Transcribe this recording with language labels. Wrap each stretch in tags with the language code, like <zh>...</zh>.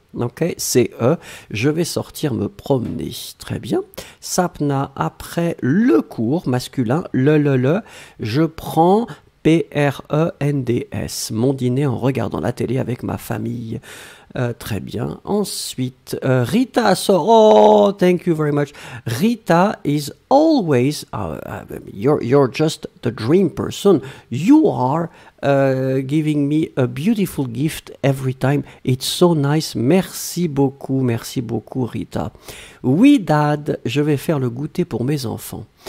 <fr>Ok, C-E. Je vais sortir me promener. Très bien. Sapna, après le cours masculin, le, je prends P-R-E-N-D-S. Mon dîner en regardant la télé avec ma famille. Très bien. Ensuite, Rita sort.</fr> <en>Oh, thank you very much. Rita is always, you're just the dream person. You are giving me a beautiful gift every time. It's so nice.</en> <fr>Merci beaucoup,</fr> <en>Rita.</en> <fr>Oui, Dad, je vais faire le goûter pour mes enfants.</fr>